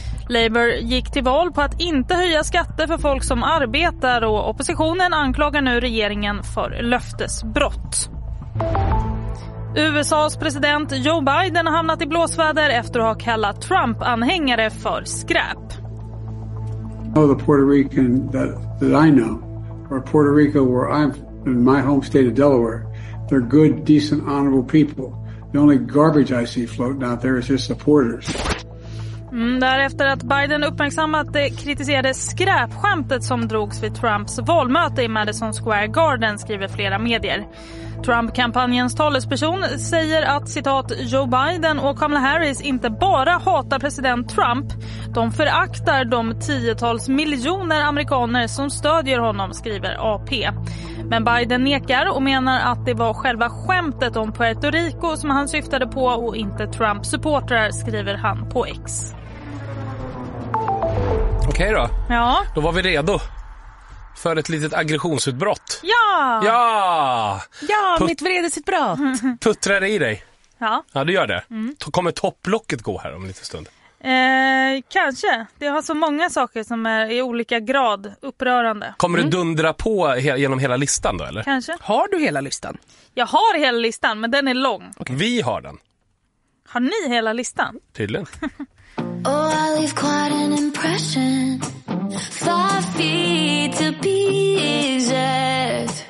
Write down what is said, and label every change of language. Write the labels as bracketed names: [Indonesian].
[Swedish] Labour gick till val på att inte höja skatter för folk som arbetar, och oppositionen anklagar nu regeringen för löftesbrott. USAs president Joe Biden har hamnat i blåsväder efter att ha kallat Trump-anhängare för skräp. [English] Oh, the Puerto Rican that I know, or Puerto Rico where I'm in my home state of Delaware, they're good, decent, honorable people. The only garbage I see floating out there is his supporters. [Swedish] Därefter att Biden uppmärksammat det kritiserade skräpskämtet som drogs vid Trumps valmöte i Madison Square Garden, skriver flera medier. Trump-kampanjens talesperson säger att, citat, Joe Biden och Kamala Harris inte bara hatar president Trump, de föraktar de tiotals miljoner amerikaner som stödjer honom, skriver AP. Men Biden nekar och menar att det var själva skämtet om Puerto Rico som han syftade på och inte Trumps supportrar, skriver han på X. Okej då. Ja. Då var vi redo för ett litet aggressionsutbrott. Ja! Ja! Ja, mitt vredesutbrott. Puttrar det i dig? Ja. Ja, du gör det. Mm. Kommer topplocket gå här om en liten stund? Kanske. Det har så många saker som är i olika grad upprörande. Kommer du dundra på genom hela listan då, eller? Kanske. Har du hela listan? Jag har hela listan, men den är lång. Okay. Vi har den. Har ni hela listan? Tydligen. [English] Oh, I leave quite an impression. 5 feet to be exact.